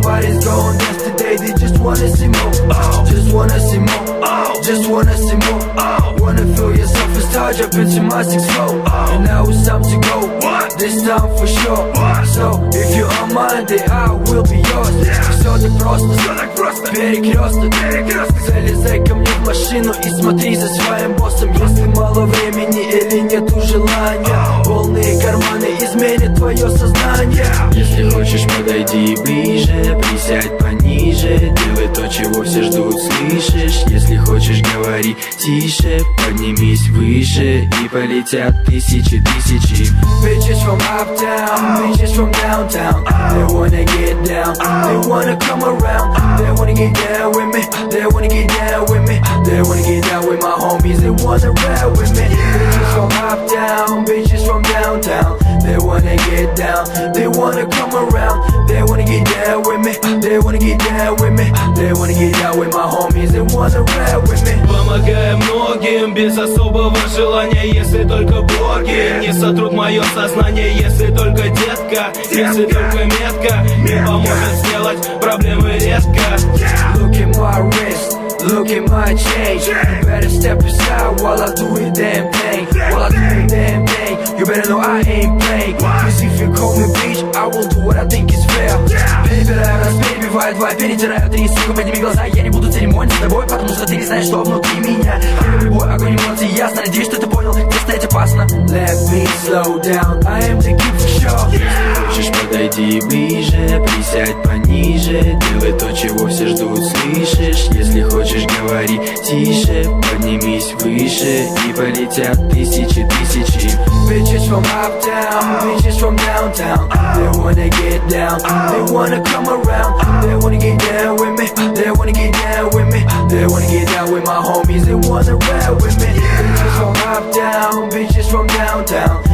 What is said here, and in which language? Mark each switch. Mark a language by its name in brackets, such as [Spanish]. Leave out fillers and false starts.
[English] Nobody's going dance today, they just wanna see more. Oh. Just wanna see more. Oh. Just wanna see more. Oh. Wanna feel yourself as charge up into my 6-4. Oh. And now it's time to go. What? This time for sure. What? So if you are mine, then I will be yours. Yeah. So the prospect. [Russian] Перекрёсток, цели зэком, нет машину и смотри за своим боссом. Если мало времени или нету желания, полные карманы изменят твое сознание. Если хочешь, подойди ближе, присядь пониже, делай то, чего все ждут, слышишь? Если хочешь, говори тише, поднимись выше, и полетят тысячи, тысячи. [English] Bitches from uptown, bitches from downtown. They wanna get down, they wanna come around. They wanna get down with me, they wanna get down with me. They wanna get down with my homies, they wanna ride with me. Bitches from uptown, bitches from downtown. They wanna get down, they wanna come around. They wanna get down with me, they wanna get down with me. They wanna get down with my homies, they wanna ride with me. [Russian] Помогаем многим без особого желания, если только боги не сотрут мое сознание. Если только детка, если только метка, не поможет сделать проблемы редко. [English] Look at my wrist, look at my chain. You better step aside while I do it damn thing. While I do it damn thing, you better know I ain't playing. Cause if you call me bitch, I will do what I think is fair. [Russian] Перебираю раз, перебиваю два, перетираю три. Сука, подними глаза, я не буду церемониться с тобой, потому что ты не знаешь, что внутри меня. Я люблю любой огонь эмоций, ясно, надеюсь, что ты понял, где стоять опасно. [English] Let me slow down, I am the king for sure. [Russian] Хочешь, подойди ближе, присядь пониже, делай то, чего все ждут, слышишь? Если хочешь, говори тише, поднимись выше, и полетят тысячи, тысячи. [English] Bitches from uptown, bitches from downtown. They wanna get down, they wanna come around. They wanna get down with me, they wanna get down with me. They wanna get down with my homies, they wanna ride with me. Bitches from uptown, bitches from downtown.